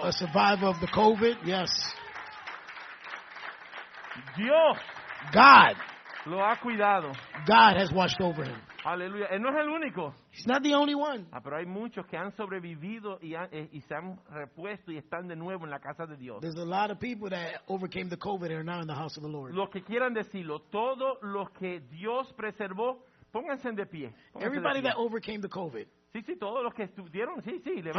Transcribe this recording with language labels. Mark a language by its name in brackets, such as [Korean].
[English] A survivor of the COVID, yes. [Spanish] Dios. [English] God. [Spanish] Lo ha cuidado. [English] God has watched over him. [Spanish] Aleluya. Él no es el único. [English] He's not the only one. [Spanish] Ah, pero hay muchos que han sobrevivido y se han repuesto y están de nuevo en la casa de Dios. [English] There's a lot of people that overcame the COVID and are now in the house of the Lord. [Spanish] Los que quieran decirlo, todos los que Dios preservó, pónganse de pie. Pónganse [English] everybody [Spanish] de pie. [English] That overcame the COVID. [Spanish] Sí, sí, todos los que estuvieron, sí, sí, levántese.